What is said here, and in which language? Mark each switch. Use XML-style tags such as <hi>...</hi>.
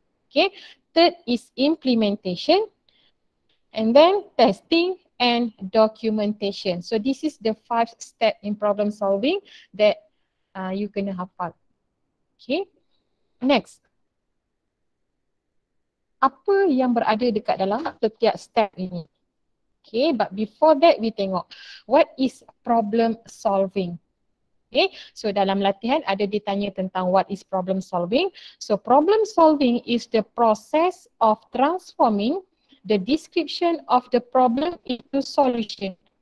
<en>Okay, third is implementation and then testing and documentation. So this is the 5 steps in problem solving that you</en> <ms>kena hafal.</ms> <en>Okay, next.</en> <ms>Apa yang berada dekat dalam setiap step ini?</ms> <en>Okay, but before that we tengok what is problem solving. Okay, so</en> <ms>dalam latihan ada ditanya tentang</ms> <en>what is problem solving. So problem solving is the process of transforming the description of the problem into solution.</en>